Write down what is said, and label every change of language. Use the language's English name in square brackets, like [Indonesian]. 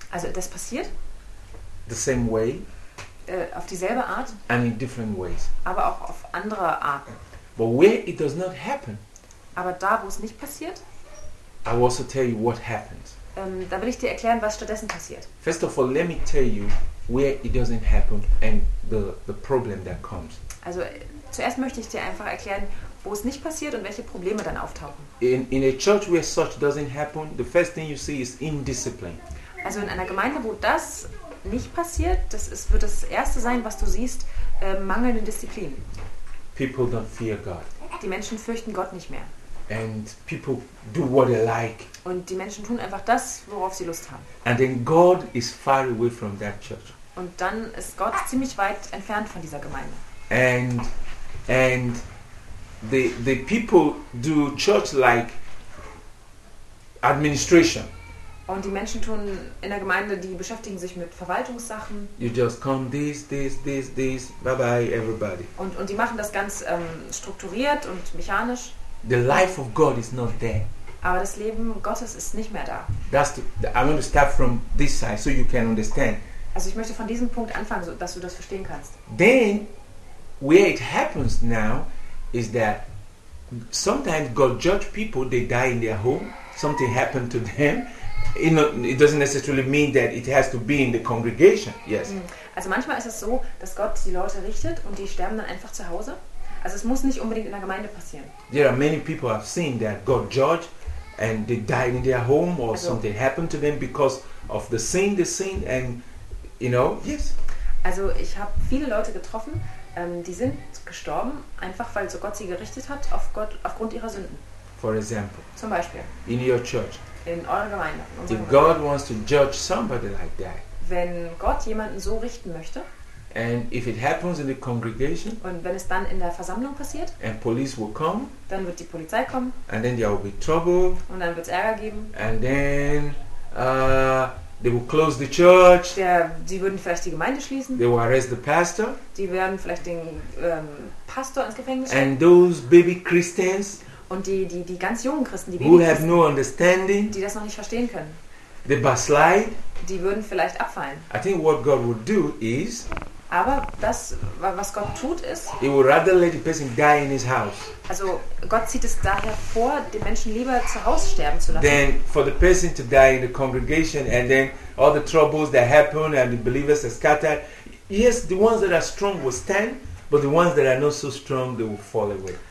[German] Also das passiert. [English] The same way. [German] Auf dieselbe Art. [English] And in different ways. [German] Aber auch auf andere Arten. [English] But where it does not happen. [German] Aber da, wo es nicht passiert. [English] I will also tell you what happens. [German] Da will ich dir erklären, was stattdessen passiert. [English] First of all, let me tell you where it doesn't happen and the problem that comes. [German] Also zuerst möchte ich dir einfach erklären, wo es nicht passiert und welche Probleme dann auftauchen. [English] In a church where such doesn't happen, the first thing you see is indiscipline. [German] Also in einer Gemeinde, wo das nicht passiert, das ist, wird das erste sein, was du siehst, mangelnde Disziplin. [English] People don't fear God. [German] Die Menschen fürchten Gott nicht mehr. [English] And people do what they like. [German] Und die Menschen tun einfach das, worauf sie Lust haben. [English] And then God is far away from that church. [German] Und dann ist Gott ziemlich weit entfernt von dieser Gemeinde. [English] And the people do church like administration. [German] Und die Menschen tun in der Gemeinde, die beschäftigen sich mit Verwaltungssachen. [English] You just come this, bye bye everybody. [German] Und die machen das ganz strukturiert und mechanisch. [English] The life of God is not there. [German] Aber das Leben Gottes ist nicht mehr da. [English] That's the, I'm going to start from this side so you can understand. [German] Also ich möchte von diesem Punkt anfangen, so dass du das verstehen kannst. [English] Then where it happens now is that sometimes God judge people, they die in their home, something happened to them. You know, it doesn't necessarily mean that it has to be in the congregation. Yes. [German] Also manchmal ist es so, dass Gott die Leute richtet und die sterben dann einfach zu Hause. Also es muss nicht unbedingt in der Gemeinde passieren. [English] There are many people I've seen that God judge and they die in their home or [German] also, [English] something happened to them because of the sin, and you know, yes. [German] Also ich habe viele Leute getroffen, die sind gestorben, einfach weil so Gott sie gerichtet hat auf Gott, aufgrund ihrer Sünden. [English] For example. [German] Zum Beispiel. [English] In your church. [German] In eurer Gemeinde. [English] If God wants to judge somebody like that. [German] Wenn Gott jemanden so richten möchte. [English] And if it happens in the congregation. [German] Und wenn es dann in der Versammlung passiert. [English] And police will come. [German] Dann wird die Polizei kommen. [English] And then there will be trouble. [German] Und dann wird es Ärger geben. [English] And then they will close the church. [German] Die würden vielleicht die Gemeinde schließen. [English] They will arrest the pastor. [German] Die werden vielleicht den Pastor ins Gefängnis schicken. [English] And those baby Christians. [German] Und die ganz jungen Christen, die [English] who have no understanding. [German] Die das noch nicht verstehen können. [English] They backslide. [German] Die würden vielleicht abfallen. [English] I think what God would do is. [German] Aber das, was Gott tut, ist. [English] He would rather let the person die in his house. [German] Also Gott sieht es daher vor, den Menschen lieber zu Hause sterben zu lassen. [English] Then for the person to die in the congregation and then all the troubles that happen and the believers are scattered. Yes, the ones that are strong will stand, but the ones that are not so strong, they will fall away.